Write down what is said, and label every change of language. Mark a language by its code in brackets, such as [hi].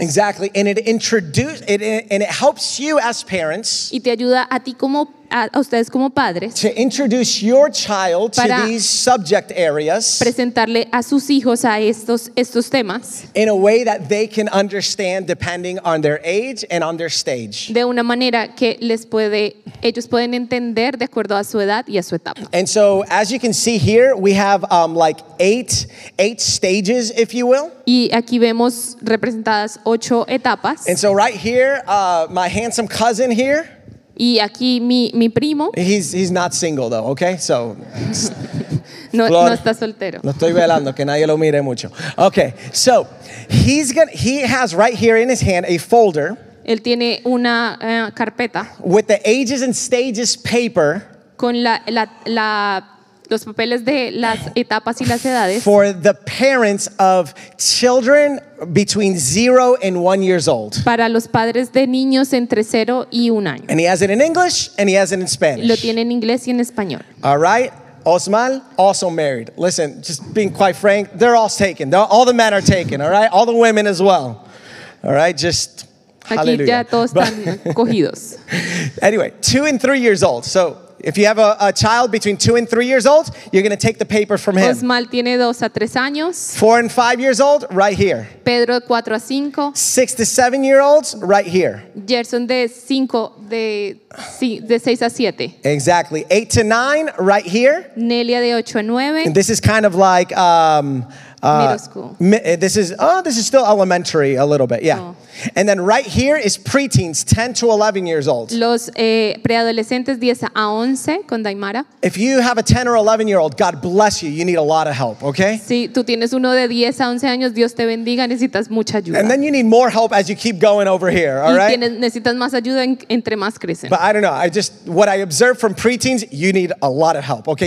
[en] Exactly. And it introduces it and it helps you as parents. [es] Y te ayuda a ti como a ustedes como padres, [en] to introduce your child to these subject areas, [es] presentarle a sus hijos a estos temas, [en] in a way that they can understand depending on their age and on their stage. [es] De una manera que les puede, ellos pueden entender de acuerdo a su edad y a su etapa. [en] And so, as you can see here, we have like eight stages, if you will. [es] Y aquí vemos representadas 8 etapas. [en] And so right here, my handsome cousin here. [es] Y aquí mi primo. He's not single though, okay? So no está soltero. No estoy velando que nadie lo mire mucho. [en] Okay. So he has right here in his hand a folder. [es] Él tiene una carpeta. [en] With the ages and stages paper. [es] Con la los papeles de las etapas y las edades. [en] For the parents of children between 0 and 1 years old. [es] Para los padres de niños entre 0 y 1 año. [en] And he has it in English and he has it in Spanish. [es] Lo tiene en inglés y en español. [en] All right. Osmal, also married. Listen, just being quite frank, they're all taken. All the men are taken, all right? All the women as well. All right, just [es] aquí [en] hallelujah. [es] Ya todos están cogidos. [en] Anyway, 2 and 3 years old. So if you have a child between 2 and 3 years old, you're going to take the paper from him. [es] Osmal tiene 2 a 3 años. [en] 4 and 5 years old, right here. [es] Pedro, 4 a 5. [en] 6 to 7 year olds, right here. [es] Gerson, de 6 a 7. [en] Exactly. 8 to 9, right here. [es] Nelia, de 8 a 9. [en] And this is kind of like, middle school. This is still elementary a little bit, yeah. Oh. And then right here is preteens, 10 to 11 years old. [es] Los preadolescentes 10 a 11 con Daimara. [en] If you have a 10 or 11 year old, God bless you. You need a lot of help, okay? [es] Si tú tienes uno de 10 a 11 años, Dios te bendiga, necesitas mucha ayuda. [en] And then you need more help as you keep going over here, all right? [es] Necesitas más ayuda entre más crecen. [en] But I don't know. What I observe from preteens, you need a lot of help, okay?